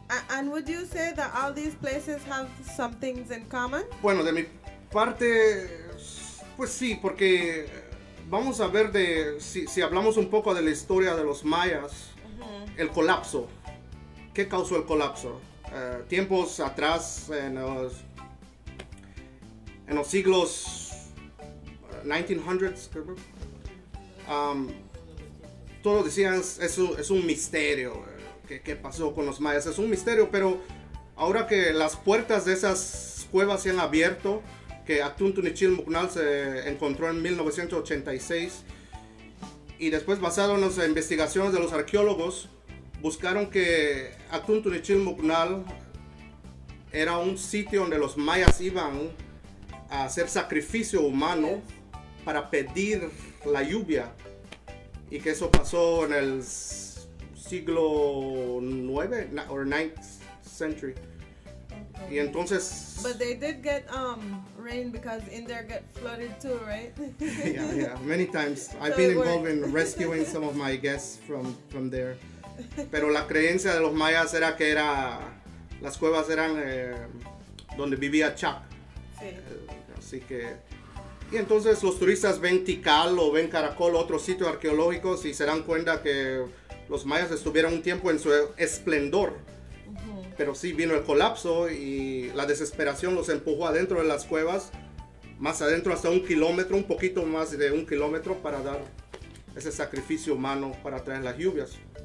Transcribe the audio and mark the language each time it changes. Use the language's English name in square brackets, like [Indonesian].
[English] And would you say that all these places have some things in common? [Spanish] Bueno, de mi parte, pues sí, porque vamos a ver si hablamos un poco de la historia de los mayas, el colapso. ¿Qué causó el colapso? Tiempos atrás, en los siglos 1900s, todos decían, es un misterio. ¿Qué pasó con los mayas? Es un misterio, pero ahora que las puertas de esas cuevas se han abierto, que Atún Tunichil Mugnal se encontró en 1986, y después basado en las investigaciones de los arqueólogos, buscaron que Atún Tunichil Mugnal era un sitio donde los mayas iban a hacer sacrificio humano para pedir la lluvia, y que eso pasó en el siglo 9 o [English] 9th century. [Spanish] Okay. Y entonces, [English] but they did get rain because India got flooded too, right? yeah, many times. I've been involved in rescuing some of my guests from there. [Spanish] Pero la creencia de los mayas era que era las cuevas eran donde vivía Chac. Sí. Así que, y entonces los turistas ven Tikal o ven Caracol, otro sitio arqueológico, y se dan cuenta que los mayas estuvieron un tiempo en su esplendor, pero sí vino el colapso y la desesperación los empujó adentro de las cuevas, más adentro, hasta un kilómetro, un poquito más de un kilómetro, para dar ese sacrificio humano para traer las lluvias.